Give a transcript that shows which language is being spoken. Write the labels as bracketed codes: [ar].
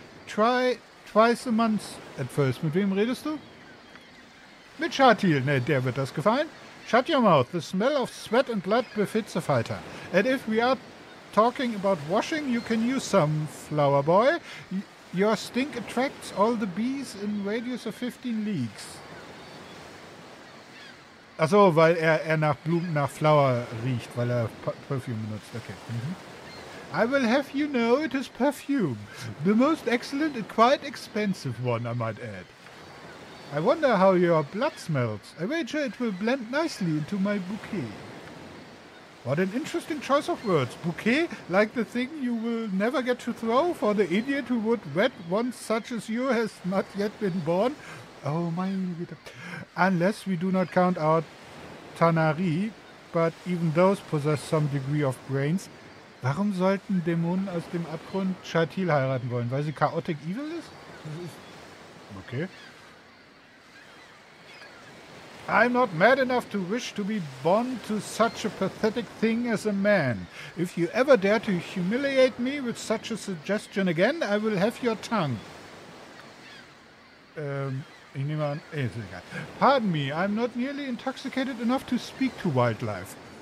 [en] Twice a month at first. [de] Mit wem redest du? Mit Shatil. Ne, der wird das gefallen. [en] Shut your mouth. The smell of sweat and blood befits a fighter. And if we are talking about washing, you can use some, flower boy. Your stink attracts all the bees in radius of 15 leagues. [de] Ach so, weil er nach Blumen, nach Flower riecht, weil er Perfume benutzt. Okay. Mhm. [en] I will have you know it is perfume. The most excellent and quite expensive one, I might add. I wonder how your blood smells. I wager it will blend nicely into my bouquet. What an interesting choice of words. Bouquet, like the thing you will never get to throw, for the idiot who would wed one such as you has not yet been born. Oh my... Unless we do not count our Tanari, but even those possess some degree of brains. [de] Warum sollten Dämonen aus dem Abgrund Shatil heiraten wollen? Weil sie chaotic evil ist? Okay. [en] I'm not mad enough to wish to be born to such a pathetic thing as a man. If you ever dare to humiliate me with such a suggestion again, I will have your tongue. [de] Ich nehme an, ist egal. [en] Pardon me, I'm not nearly intoxicated enough to speak to wildlife.